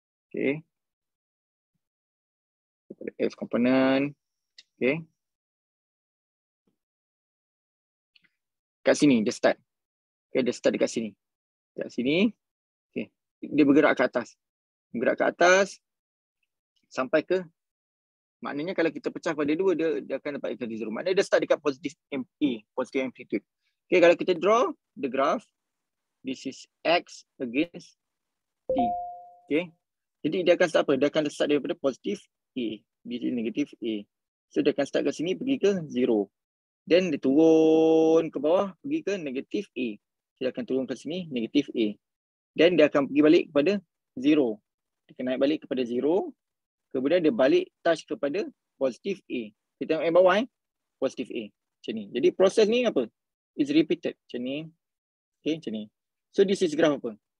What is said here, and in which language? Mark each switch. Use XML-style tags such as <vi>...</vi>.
<ms>Okay, kepada X component, okay, kat sini dia start. Okay, dia start dekat sini. Dekat sini, okay, dia bergerak ke atas. Bergerak ke atas sampai ke Maknanya kalau kita pecah pada dua, dia akan dapat equality zero. Maknanya dia start dekat positive MA, positive amplitude.</ms> <en>Okay,</en> <ms>kalau kita</ms> <en>draw the graph, this is X against T.</en> <ms>Okay. Jadi dia akan start apa? Dia akan start daripada positive A.</ms> <en>This is negative A.</en> <ms>So dia akan start kat sini pergi ke zero. Then dia turun ke bawah pergi ke negative A. Dia akan turun ke sini negative A. Then dia akan pergi balik kepada zero. Dia akan naik balik kepada zero. Kemudian dia balik touch kepada positive A. Kita tengok yang bawah eh. Positive A. Macam ni. Jadi proses ni apa?</ms> <en>It's repeated.</en> <ms>Macam ni. Okay macam ni.</ms> <en>So this is graph</en> <ms>apa?</ms>